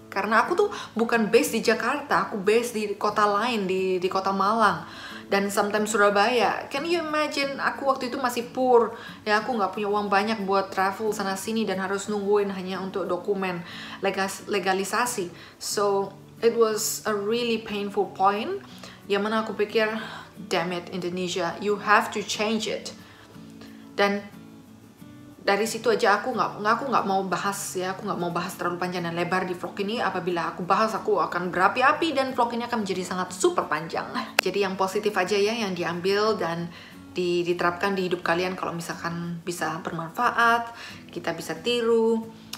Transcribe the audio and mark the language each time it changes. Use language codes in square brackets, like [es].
[id] Karena aku tuh bukan base di Jakarta, aku base di kota lain, di kota Malang. Dan sometimes Surabaya, can you imagine aku waktu itu masih poor. Ya aku gak punya uang banyak buat travel sana-sini dan harus nungguin hanya untuk dokumen legalisasi. [en] So, it was a really painful point. Yang mana aku pikir, damn it Indonesia, you have to change it. [id] Dan dari situ aja aku nggak mau bahas terlalu panjang dan lebar di vlog ini. Apabila aku bahas, aku akan berapi-api dan vlog ini akan menjadi sangat super panjang. Jadi yang positif aja ya yang diambil dan diterapkan di hidup kalian, kalau misalkan bisa bermanfaat, kita bisa tiru.